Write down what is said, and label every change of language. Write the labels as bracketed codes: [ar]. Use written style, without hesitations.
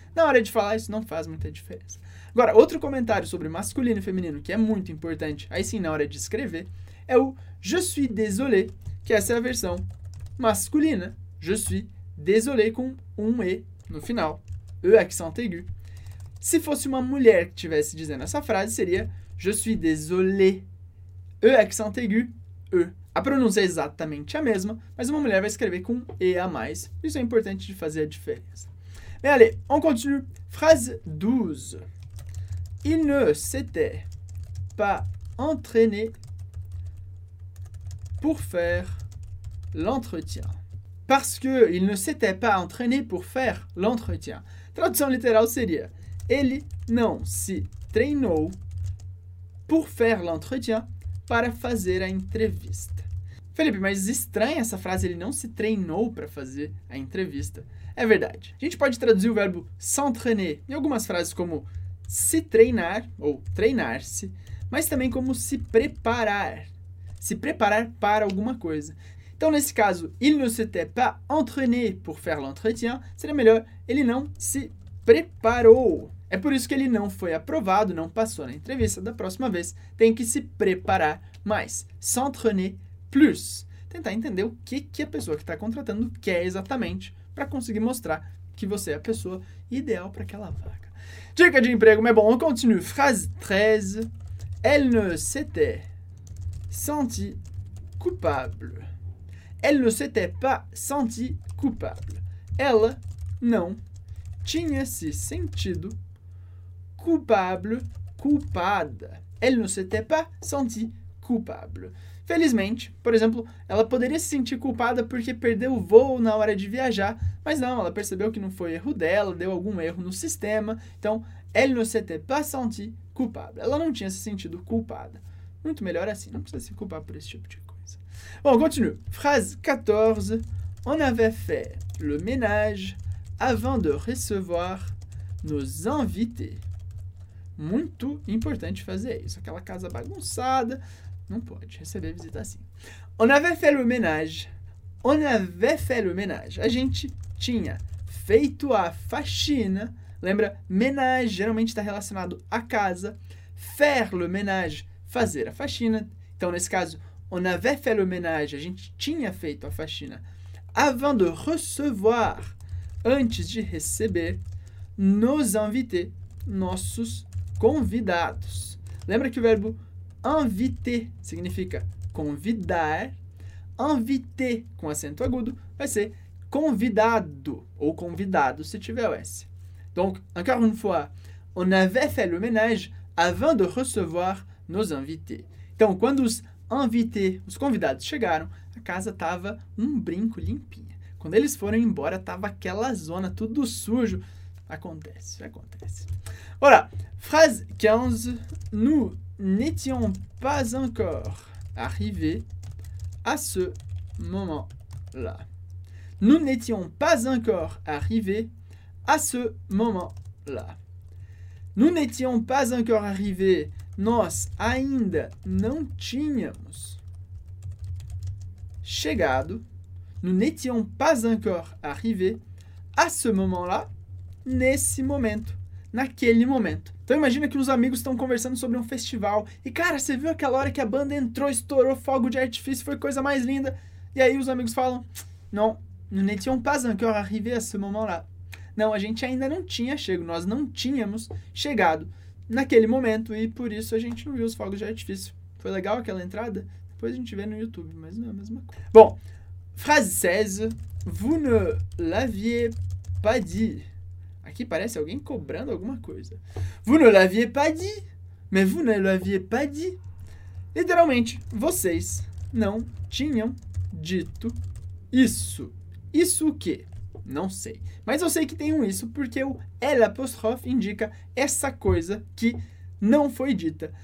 [pt] Na hora de falar, isso não faz muita diferença. Agora, outro comentário sobre masculino e feminino, que é muito importante, aí sim, na hora de escrever, é o [fr] je suis désolé, [pt] que essa é a versão masculina, je suis désolé, com um E no final, [fr] E accent aigu. [pt] Se fosse uma mulher que estivesse dizendo essa frase, seria [fr] je suis désolé, E accent aigu, [pt] E. A pronúncia é exatamente a mesma, mas uma mulher vai escrever com E a mais. Isso é importante de fazer a diferença. Bem, [fr] allez, on continue. Phrase 12. Il ne s'était pas entraîné pour faire l'entretien. Parce que il ne s'était pas entraîné pour faire l'entretien. [pt] Tradução literal seria: ele não se treinou [fr] pour faire l'entretien, [pt] para fazer a entrevista. Felipe, mas estranha essa frase, ele não se treinou para fazer a entrevista. É verdade. A gente pode traduzir o verbo s'entraîner em algumas frases como se treinar ou treinar-se, mas também como se preparar para alguma coisa. Então, nesse caso, [fr] il ne s'était pas entraîné pour faire l'entretien, [pt] seria melhor, ele não se preparou. É por isso que ele não foi aprovado, não passou na entrevista. Da próxima vez, tem que se preparar mais. [fr] S'entraîner plus. [pt] Tentar entender o que a pessoa que está contratando quer exatamente para conseguir mostrar que você é a pessoa ideal para aquela vaga. Dica de emprego, mas bom, [fr] on continue. Phrase 13. Elle ne s'était senti coupable. Elle ne s'était pas sentie coupable. [pt] Ela não tinha se sentido culpable, culpada. [fr] Elle ne s'était pas sentie coupable. [pt] Felizmente, por exemplo, ela poderia se sentir culpada porque perdeu o voo na hora de viajar, mas não, ela percebeu que não foi erro dela, deu algum erro no sistema. Então, [fr] elle ne s'était pas sentie coupable. [pt] Ela não tinha se sentido culpada. Muito melhor assim, não precisa se culpar por esse tipo de coisa. Bom, [fr] continue. Phrase 14. On avait fait le ménage avant de recevoir nos invités. [pt] Muito importante fazer isso. Aquela casa bagunçada, não pode receber visita assim. [fr] On avait fait le ménage. On avait fait le ménage. [pt] A gente tinha feito a faxina. Lembra? Ménage geralmente está relacionado à casa. [fr] Faire le ménage, [pt] fazer a faxina. Então, nesse caso, [fr] on avait fait le ménage. [pt] A gente tinha feito a faxina. [fr] Avant de recevoir, [pt] antes de receber, [fr] nos invités, [pt] nossos convidados. Lembra que o verbo inviter significa convidar. Inviter com acento agudo vai ser convidado ou convidado se tiver o S. [fr] Donc, encore une fois, on avait fait le ménage avant de recevoir nos invités. [pt] Então, quando os invités, os convidados chegaram, a casa estava um brinco limpinha. Quando eles foram embora, estava aquela zona, tudo sujo. Acontece, acontece. [fr] Voilà. Phrase 15. Nous n'étions pas encore arrivés à ce moment-là. Nous n'étions pas encore arrivés à ce moment-là. Nous n'étions pas encore arrivés. [pt] Nós ainda não tínhamos chegado. [fr] Nous n'étions pas encore arrivés à ce moment-là. [pt] Nesse momento, naquele momento. Então imagina que os amigos estão conversando sobre um festival e, cara, você viu aquela hora que a banda entrou, estourou fogo de artifício, foi coisa mais linda. E aí os amigos falam, [fr] non, nous n'étions pas encore arrivés à ce moment-là. [pt] Não, a gente ainda não tinha chego, nós não tínhamos chegado naquele momento e por isso a gente não viu os fogos de artifício. Foi legal aquela entrada? Depois a gente vê no YouTube, mas não é a mesma coisa. Bom, [fr] phrase 16. Vous ne l'aviez pas dit. [pt] Aqui parece alguém cobrando alguma coisa. [fr] Vous ne l'aviez pas dit. Mais vous ne l'aviez pas dit. [pt] Literalmente, vocês não tinham dito isso. Isso o quê? Não sei. Mas eu sei que tem um isso porque o L' apostrophe indica essa coisa que não foi dita.